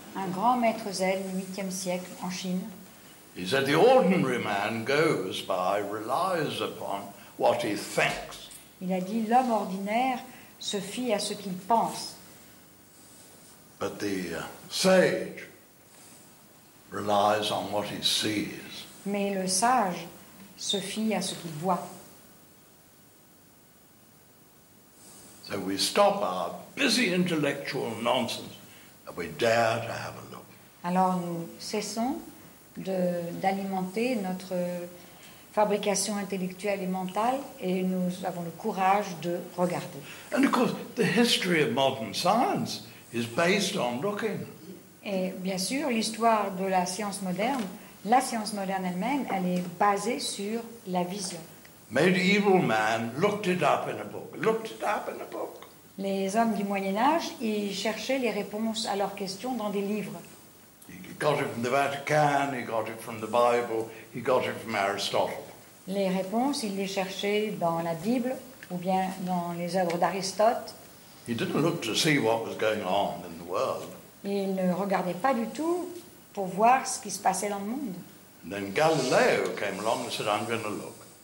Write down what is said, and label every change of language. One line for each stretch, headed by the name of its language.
French: Un grand maître Zen, 8e siècle en Chine.
English: He said the ordinary man goes by, relies upon what he thinks.
French: Il a dit l'homme ordinaire se fie à ce qu'il pense.
English: But the sage relies on what he sees.
French: Mais le sage se fie à ce qu'il voit.
English: So we stop our busy intellectual nonsense and we dare to have a look.
French: Alors nous cessons d'alimenter notre fabrication intellectuelle et mentale et nous avons le courage de regarder.
English: And of course, the history of modern science is based on looking.
French: Et bien sûr, l'histoire de la science moderne, la science moderne elle-même, elle est basée sur la vision.
English: Medieval man looked it up in a book. Looked it up in a book.
French: Les hommes du Moyen Âge, ils cherchaient les réponses à leurs questions dans des livres.
English: He got it from the Vatican. He got it from the Bible. He got it from Aristotle.
French: Les réponses, ils les cherchaient dans la Bible ou bien dans les œuvres d'Aristote.
English: He didn't look to see what was going on in the world.
French: Il ne regardait pas du tout pour voir ce qui se passait dans le monde.
English: And then Galileo came along and said, "I'm going to look."